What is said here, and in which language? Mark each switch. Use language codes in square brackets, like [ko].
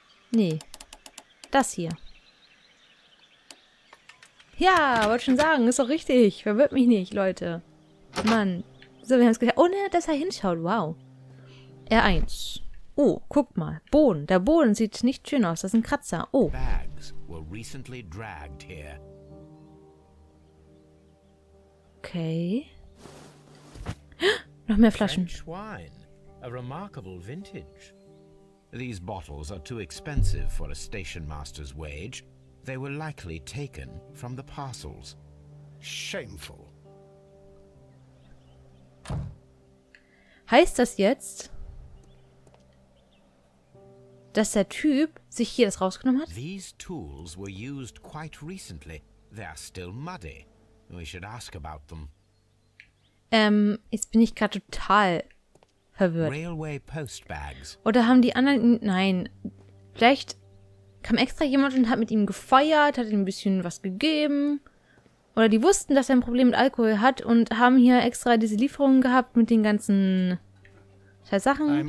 [de] Nee. Das hier. Ja, wollte schon sagen, ist doch richtig. Verwirrt mich nicht, Leute. Mann. So, wir haben es gehört. Ohne, dass er hinschaut. Wow. R1. Oh, guck mal. Boden. Der Boden sieht nicht schön aus. Das ist ein Kratzer. Oh. [en] Bags were recently dragged here. [de] Okay. Noch mehr Flaschen. [en] French wine. A remarkable vintage. These bottles are too expensive for a station master's wage. They were likely taken from the parcels. Shameful. [de] Heißt das jetzt, dass der Typ sich hier das rausgenommen hat? [en] These tools were used quite recently. They are still muddy. We should ask about them. [de] Jetzt bin ich gerade total verwirrt. [en] Railway post bags. [de] Oder haben die anderen... Nein, vielleicht kam extra jemand und hat mit ihm gefeiert, hat ihm ein bisschen was gegeben. Oder die wussten, dass er ein Problem mit Alkohol hat und haben hier extra diese Lieferungen gehabt mit den ganzen Sachen.